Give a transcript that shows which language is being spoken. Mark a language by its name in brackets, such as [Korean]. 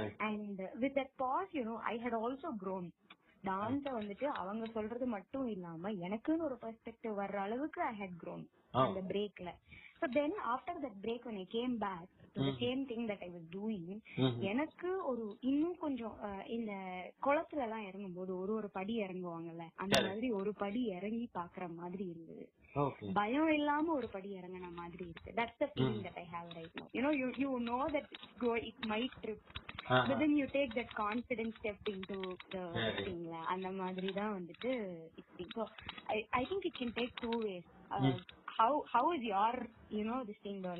[English] And with that pause, you know, I had also grown. [Tamil] Dance வந்துட்டு அவங்க சொல்றது மட்டும் இல்லாம எனக்குன்னு ஒரு பெர்ஸ்பெக்டிவ் வர்ற அளவுக்கு [English] I hate grown [Tamil] அந்த பிரேக்ல. [English] So then after that break when I came back to the same thing that I was doing, [Tamil] எனக்கு ஒரு இன்னும் கொஞ்சம் இந்த குளத்துல எல்லாம் இறங்கும் போது ஒரு ஒரு படி இறங்குவாங்கல்ல அந்த மாதிரி ஒரு படி இறங்கி பாக்குற மாதிரி இருந்தது. [English] Okay. [Tamil] பயம் இல்லாம ஒரு படி இறங்கின மாதிரி இருக்கு. [English] That's the feeling that I have right now. You know, you know that it might trip. Uh-huh. But then you take that confidence step into the thing. And [Tamil] madri da vandu [English] so I think it can take two ways. How is your, you know, this thing though?